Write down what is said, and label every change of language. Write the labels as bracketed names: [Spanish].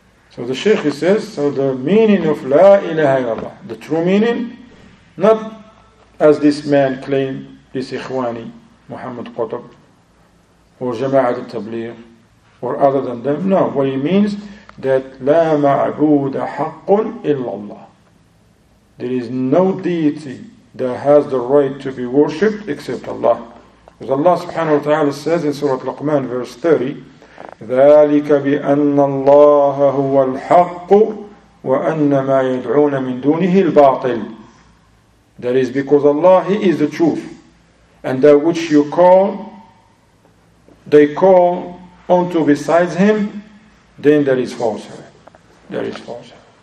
[English] So the Shaykh says, so the meaning of [Arabic] لا إله إلا الله, [English] the true meaning, not as this man claimed, this إخواني محمد قطب or جماعة التبليغ or other than them. No, what he means that [Arabic] لا معبود حق إلا الله. [English] There is no deity that has the right to be worshipped except Allah. As Allah subhanahu wa ta'ala says in Surah Luqman verse 30, [Arabic] ذَلِكَ بِأَنَّ اللَّهَ هُوَ الْحَقُّ وَأَنَّ مَا يَدْعُونَ مِن دُونِهِ الْبَاطِلِ. [English] That is because Allah, He is the truth. And that which you call, they call unto besides Him, then that is falsehood. That is falsehood.